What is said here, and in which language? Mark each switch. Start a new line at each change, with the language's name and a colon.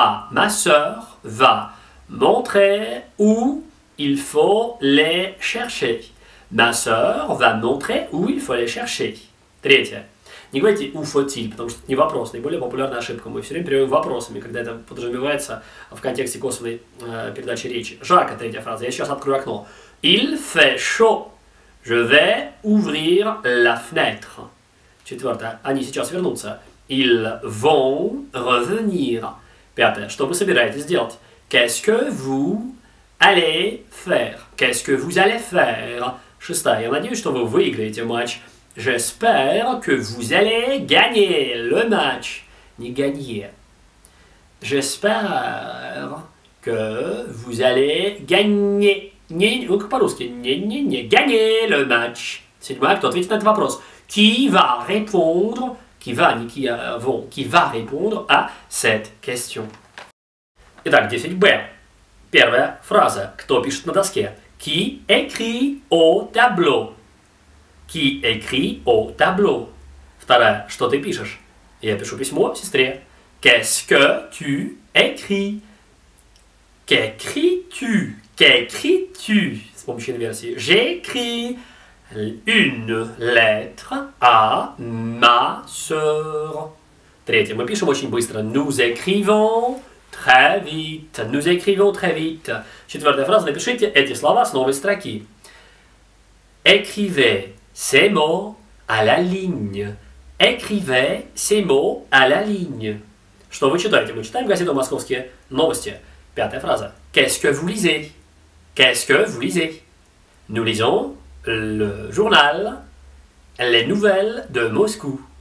French: Ma soeur va montrer où il faut les chercher. Ma soeur va montrer où il faut les chercher.
Russian: Третье. Не говорите
French: «où faut-il»,
Russian: потому что это не вопрос. Наиболее популярная ошибка. Мы все время переводим вопросами, когда это подразумевается в контексте косвенной передачи речи. Жарко, третья фраза. Я сейчас открою окно.
French: Il fait chaud. Je vais ouvrir la fenêtre.
Russian: Четвертое. Они сейчас вернутся.
French: Ils vont revenir.
Russian: Пятое. Что вы собираетесь делать?
French: Qu'est-ce que vous allez faire? Qu'est-ce que vous allez faire?
Russian: Шестая. Я надеюсь, что вы выиграете матч.
French: J'espère que vous allez gagner le match. Не gagner. J'espère que vous allez gagner.
Russian: Ну, как по-русски. Не
French: gagner le match.
Russian: Седьмой акт, ответит на этот вопрос.
French: Qui va répondre à cette question?
Russian: Итак, 10b. Первая фраза. Кто пишет на доске?
French: Qui écrit au tableau? Qui écrit au tableau?
Russian: Вторая. Что ты пишешь? Я пишу письмо сестре.
French: Qu'est-ce que tu écris? Qu'écris-tu? Qu'écris-tu?
Russian: С помощью инверсии.
French: J'écris une lettre à ma sœur.
Russian: Третье. Мы пишем очень быстро.
French: Nous écrivons très vite. Nous écrivons très vite.
Russian: Четвертая фраза. Напишите эти слова с новой строки.
French: Écrivez ces mots à la ligne. Écrivez ces mots à la ligne.
Russian: Что вы читаете? Мы читаем газету «Московские новости». Пятая фраза.
French: Qu'est-ce que vous lisez? Qu'est-ce que vous lisez? Nous lisons le journal Les Nouvelles de Moscou.